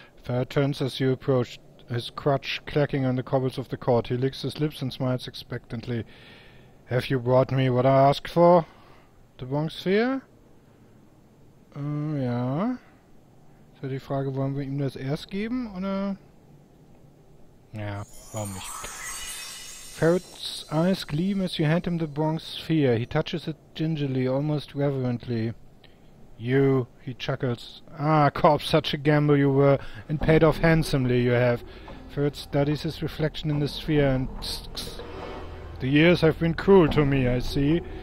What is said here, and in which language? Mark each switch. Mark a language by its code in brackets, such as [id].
[en] Ferret turns as you approach, his crutch clacking on the cobbles of the court. He licks his lips and smiles expectantly. Have you brought me what I asked for? The Bronx here? [de] Ja. Ist ja die Frage, wollen wir ihm das erst geben, oder? Ja, warum nicht? [en] Ferret's eyes gleam as you hand him the Bronx sphere. He touches it gingerly, almost reverently. You, he chuckles. Ah, Corp, such a gamble you were, and paid off handsomely you have. Ferret studies his reflection in the sphere and... The years have been cruel to me, I see.